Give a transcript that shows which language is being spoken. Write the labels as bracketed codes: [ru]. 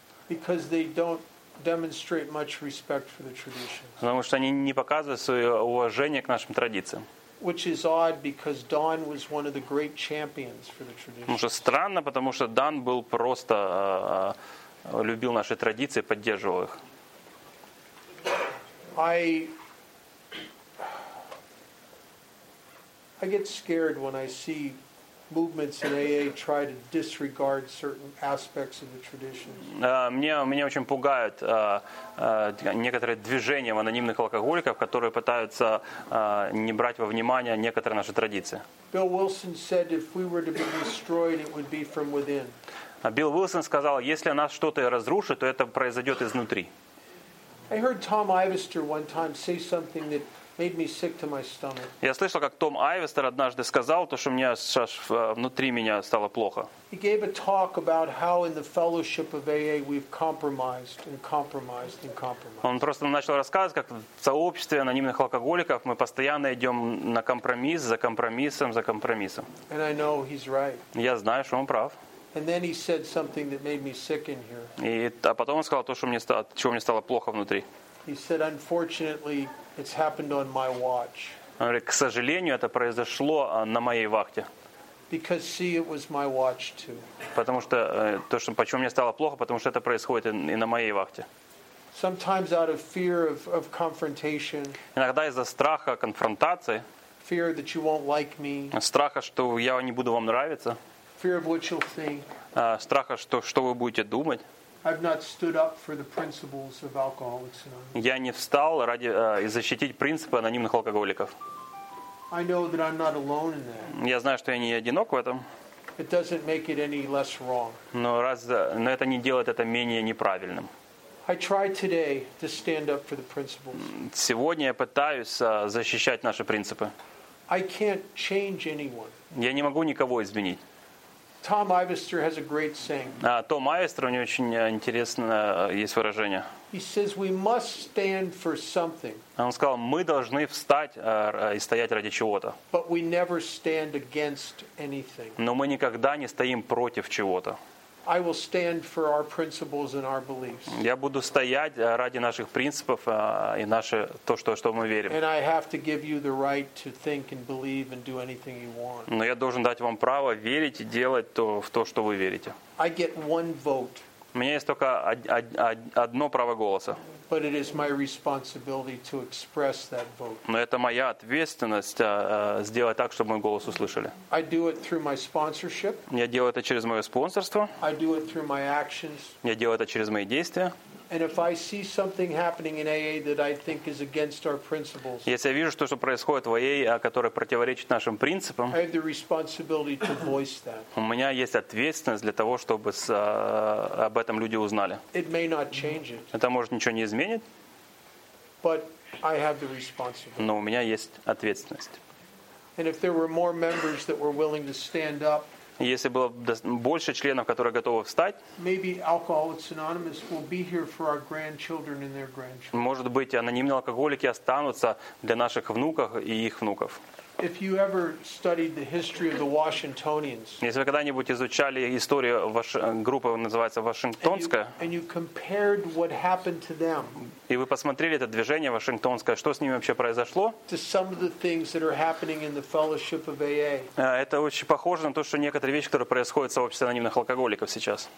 [en] Because they don't demonstrate much respect for the traditions. [ru] Потому что они не показывают свое уважение к нашим традициям. [en] Which is odd because Don was one of the great champions for the traditions. [ru] Потому что странно, потому что Дон был просто любил наши традиции, поддерживал их. [en] I get scared when I see movements in AA try to disregard certain aspects of the traditions. [ru] Меня очень пугают некоторые движения в анонимных алкоголиках, которые пытаются не брать во внимание некоторые наши традиции. [en] Bill Wilson said if we were to be destroyed, it would be from within. [ru] Билл Уилсон сказал, если нас что-то разрушит, то это произойдет изнутри. [en] I heard Tom Ivester one time say something that made me sick to my stomach. [ru] Я слышал, как Том Айвестер однажды сказал то, что мне аж внутри меня стало плохо. [en] He gave a talk about how in the fellowship of AA we've compromised and compromised and compromised. [ru] Он просто начал рассказывать, как в сообществе анонимных алкоголиков мы постоянно идем на компромисс за компромиссом, за компромиссом. [en] And I know he's right. [ru] Я знаю, что он прав. [en] And then he said something that made me sick in here. [ru] И а потом он сказал то, что мне стало, чего мне стало плохо внутри. [en] He said, unfortunately, it's happened on my watch. [ru] Он говорит, к сожалению, это произошло на моей вахте. [en] Because, see, it was my watch too. [ru] Потому что то, что почему мне стало плохо, потому что это происходит и на моей вахте. [en] Sometimes out of fear of confrontation. [ru] Иногда из-за страха конфронтации. [en] Fear that you won't like me. [ru] Страха, что я не буду вам нравиться. [en] Fear of what you'll think. [ru] Страха, что вы будете думать. [en] I've not stood up for the principles of Alcoholics Anonymous. [ru] Я не встал ради защитить принципы анонимных алкоголиков. [en] I know that I'm not alone in that. [ru] Я знаю, что я не одинок в этом. [en] It doesn't make it any less wrong. [ru] Но это не делает это менее неправильным. [en] I try today to stand up for the principles. [ru] Сегодня я пытаюсь защищать наши принципы. [en] I can't change anyone. [ru] Я не могу никого изменить. [en] Tom Ivester has a great saying. [ru] Том Айвестер, у него очень интересное есть выражение. [en] He says we must stand for something. [ru] Он сказал, мы должны встать и стоять ради чего-то. [en] But we never stand against anything. [ru] Но мы никогда не стоим против чего-то. [en] I will stand for our principles and our beliefs. [ru] Я буду стоять ради наших принципов и наше то, что мы верим. [en] And I have to give you the right to think and believe and do anything you want. [ru] Но я должен дать вам право верить и делать то, в то, что вы верите. [en] I get one vote. [ru] У меня есть только одно право голоса. [en] But it is my responsibility to express that vote. [ru] Но это моя ответственность сделать так, чтобы мой голос услышали. [en] I do it through my sponsorship. [ru] Я делаю это через мое спонсорство. [en] I do it through my actions. [ru] Я делаю это через мои действия. [en] And if I see something happening in AA that I think is against our principles. [ru] Если я вижу что происходит в AA, которое противоречит нашим принципам. [en] I have the responsibility to voice that. [ru] У меня есть ответственность для того, чтобы об этом люди узнали. [en] It may not change it. [ru] Это может ничего не изменить. [en] But I have the responsibility. [ru] Но у меня есть ответственность. [en] And if there were more members that were willing to stand up. [ru] Если было больше членов, которые готовы встать, может быть, анонимные алкоголики останутся для наших внуков и их внуков. Если вы когда-нибудь изучали историю группы, называется Вашингтонская, и вы посмотрели это движение Вашингтонское, что с ними вообще произошло, это очень похоже на то, что некоторые вещи, которые происходят в сообществе анонимных алкоголиков сейчас.